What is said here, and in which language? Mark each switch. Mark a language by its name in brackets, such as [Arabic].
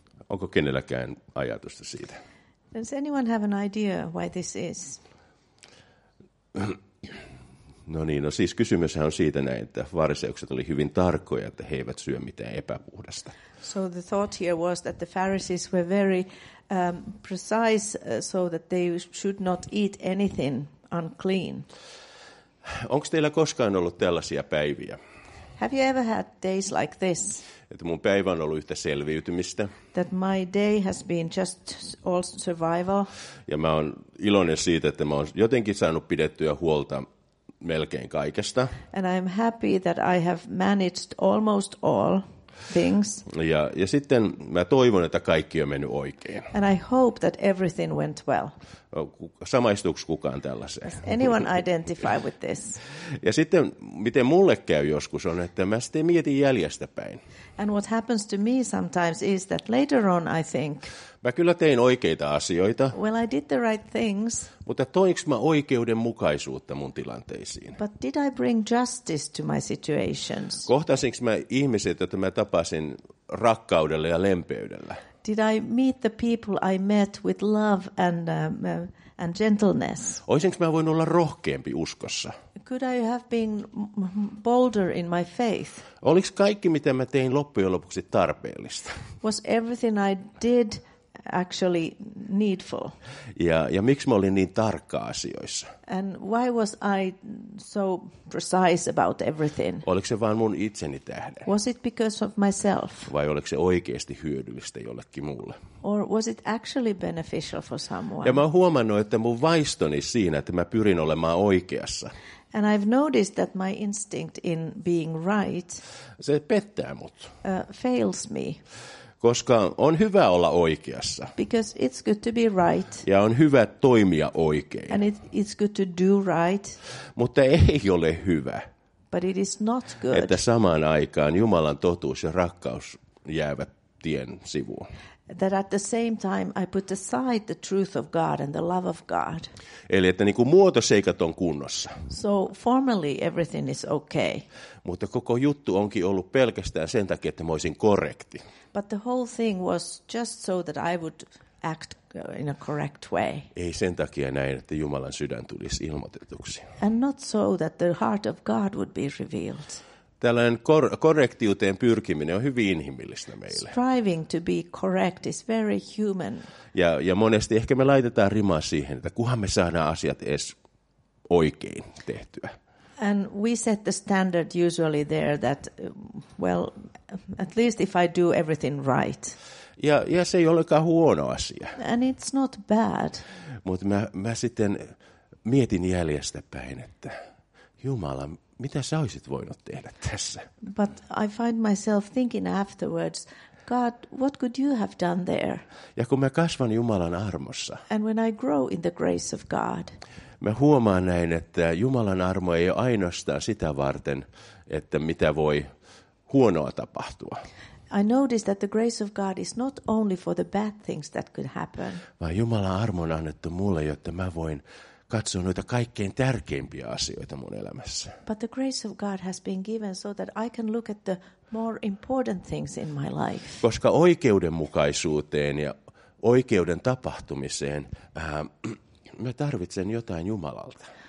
[Finnish] Onko kenelläkään ajatusta siitä? [English] Does anyone have an idea why this is? [Finnish] No niin, no siis kysymyshän on siitä näin, että fariseukset oli hyvin tarkkoja, että he eivät syö mitään epäpuhdasta. [English] So the thought here was that the Pharisees were very precise so that they should not eat anything unclean. [Finnish] Onko teillä koskaan ollut tällaisia päiviä? [English] Have you ever had days like this? [Finnish] Että mun päivä on ollut yhtä selviytymistä. [English] That my day has been just all survival. [Finnish] Ja mä oon iloinen siitä, että mä oon jotenkin saanut pidettyä huolta melkein kaikesta. [English] And I'm happy that I have managed almost all things. [Finnish] Ja sitten mä toivon, että kaikki on mennyt oikein. [English] And I hope that everything went well. [Finnish] Samaistuuko kukaan tällaiseen? [English] Does anyone identify with this? [Finnish] Ja sitten, miten mulle käy joskus on, että mä sitten mietin jäljestä päin. [English] And what happens to me sometimes is that later on I think. [Finnish] Mä kyllä tein oikeita asioita. [English] Well, I did the right things. [Finnish] Mutta toinko mä oikeudenmukaisuutta mun tilanteisiin? [English] But did I bring justice to my situations? [Finnish] Kohtasinko mä ihmiset, joita mä tapasin rakkaudella ja lempeydellä? [English] Did I meet the people I met with love and gentleness? [Finnish] Olisinko mä voinut olla rohkeampi uskossa? [English] Could I have been bolder in my faith? [Finnish] Oliks kaikki mitä mä tein loppujen lopuksi tarpeellista? [English] Was everything I did actually needful? [Finnish] Ja miksi mä olin niin tarkka asioissa? [English] And why was I so precise about everything? [Finnish] Oliko se vaan mun itseni tähden? [English] Was it because of myself? [Finnish] Vai oliko se oikeasti hyödyllistä jollekin muulle? [English] Or was it actually beneficial for someone? [Finnish] Ja mä oon huomannut, että mun vaistoni siinä, että mä pyrin olemaan oikeassa. [English] And I've noticed that my instinct in being right, [Finnish] se pettää mut. [English] Fails me. [Finnish] Koska on hyvä olla oikeassa. [English] Because it's good to be right. [Finnish] Ja on hyvä toimia oikein. [English] And it's good to do right. [Finnish] Mutta ei ole hyvä. [English] But it is not good. [Finnish] Että samaan aikaan Jumalan totuus ja rakkaus jäävät tien sivuun. [English] That at the same time I put aside the truth of God and the love of God. [Finnish] Eli että niinku muotoseikat on kunnossa. [English] So formally everything is okay. [Finnish] Mutta koko juttu onkin ollut pelkästään sen takia, että mä olisin korrekti. [English] But the whole thing was just so that I would act in a correct way. [Finnish] Ei sen takia näin, että Jumalan sydän tulisi ilmoitetuksi. [English] And not so that the heart of God would be revealed. [Finnish] tällainen korrektiuteen pyrkiminen on hyvin inhimillistä meille. [English] Striving to be correct is very human. [Finnish] Ja monesti ehkä me laitetaan rimaa siihen, että kunhan me saadaan asiat edes oikein tehtyä. [English] And we set the standard usually there that, well, at least if I do everything right. [Finnish] Ja se ei olekaan huono asia. [English] And it's not bad. [Finnish] Mutta mä sitten mietin jäljestä päin, että Jumala, mitä sä olisit voinut tehdä tässä? [English] But I find myself thinking afterwards, God, what could you have done there? [Finnish] Ja kun mä kasvan Jumalan armossa. [English] And when I grow in the grace of God. [Finnish] Mä huomaan näin, että Jumalan armo ei ole ainoastaan sitä varten, että mitä voi huonoa tapahtua. [English] I noticed that the grace of God is not only for the bad things that could happen. [Finnish] Vaan Jumalan armo on annettu mulle, jotta mä voin katsoa noita kaikkein tärkeimpiä asioita mun elämässä. [English] But the grace of God has been given so that I can look at the more important things in my life. [Finnish] Koska oikeudenmukaisuuteen ja oikeuden tapahtumiseen mä tarvitsen jotain Jumalalta.